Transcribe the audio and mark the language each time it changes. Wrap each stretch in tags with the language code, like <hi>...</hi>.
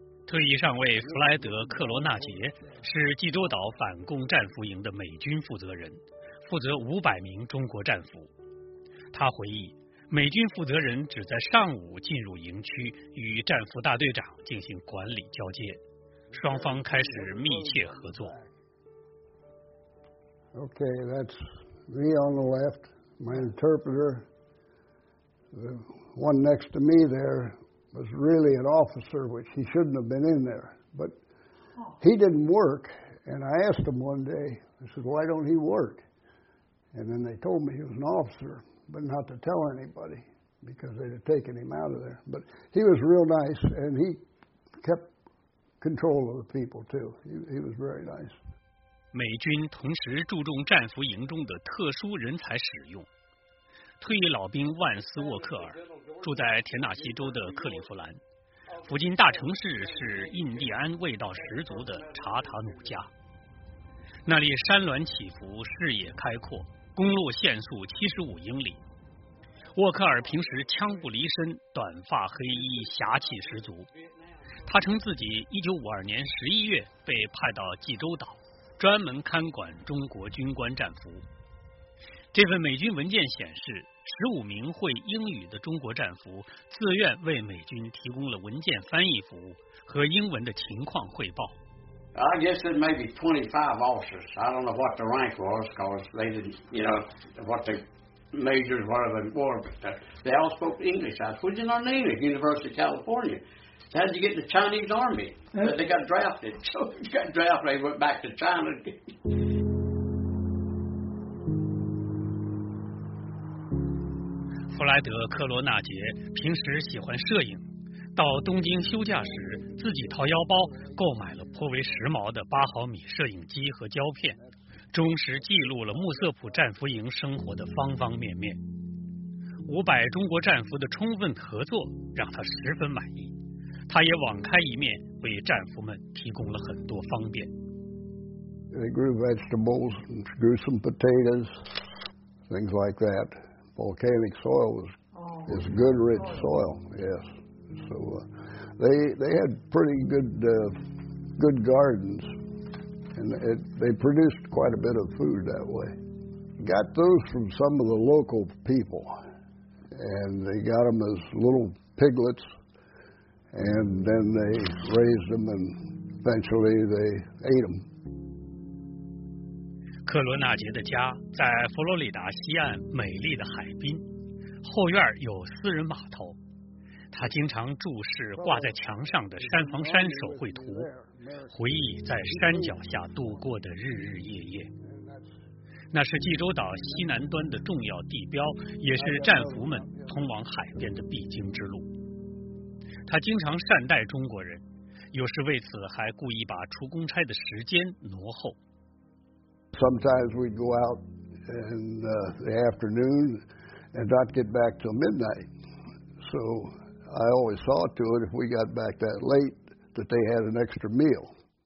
<zh>退役上尉弗莱德·克罗纳杰是济州岛反共战俘营的美军负责人，负责500名中国战俘。他回忆，美军负责人只在上午进入营区，与战俘大队长进行管理交接，双方开始密切合作。</zh> <en>Okay, that's me on the left, my interpreter. The one next to me there was really an officer, which he shouldn't have been in there. But he didn't work, and I asked him one day, I said, why don't he work? And then they told me he was an officer. but not to tell anybody because they'd have taken him out of there. But he was real nice, and he kept control of the people, too. He was very nice.</en> <zh>美军同时注重战俘营中的特殊人才使用。退役老兵万斯沃克尔住在田纳西州的克利夫兰，附近大城市是印第安味道十足的查塔努加。那里山峦起伏，视野开阔，公路限速75英里。沃克尔平时枪不离身，短发黑衣，侠气十足。他称自己1952年11月被派到济州岛，专门看管中国军官战俘。这份美军文件显示，15名会英语的中国战俘自愿为美军提供了文件翻译服务和英文的情况汇报。</zh> <en>I guess there may be 25 officers. I don't know what the rank was because they didn't, you know, what the majors, whatever they were, but they all spoke English. I put in our name at University of California. How did you get in the Chinese army? But they got drafted. So they got drafted, they went back to China again.</en> <zh>弗莱德·科罗纳杰平时喜欢摄影，到东京休假时自己掏腰包购买了颇为时髦的8毫米摄影机和胶片，忠实记录了穆瑟普战俘营生活的方方面面。 500中国战俘的充分合作让他十分满意，他也网开一面，为战俘们提供了很多方便。</zh> <en>They grew vegetables and grew some potatoes, things like that. Volcanic soil is good, rich soil, yes. So they had pretty good gardens, and they produced quite a bit of food that way. Got those from some of the local people, and they got them as little piglets, and then they raised them, and eventually they ate them.</en> <zh>科罗纳杰的家在佛罗里达西岸美丽的海滨，后院有私人码头。他经常注视挂在墙上的山房山手绘图，回忆在山脚下度过的日日夜夜。那是济州岛西南端的重要地标，也是战俘们通往海边的必经之路。他经常善待中国人，有时为此还故意把出公差的时间挪后。</zh> <en>Sometimes we'd go out in the afternoon and not get back till midnight. So I always saw to it if we got back that late that they had an extra meal.</en>